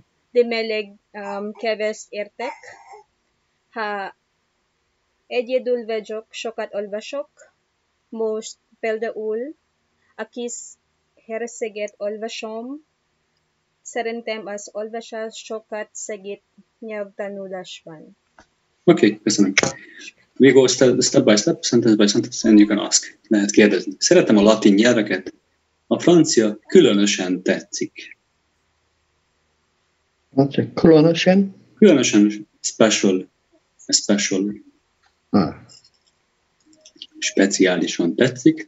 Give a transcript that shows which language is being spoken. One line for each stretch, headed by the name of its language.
Hungarian: De meleg keves értek. Ha egyedül vagyok, sokat olvasok. Most például a Kis herceget olvasom. Szerintem az olvasás sokat segít nyelvtanulásban. Oké, köszönöm.
English: We go step by step, sentence by sentence, and you can ask.
Hungarian: Lehet kérdezni. Szeretem a latin nyelveket. A francia különösen tetszik. Francia különösen?
English: Különösen special. Special.
Hungarian: Speciálisan tetszik.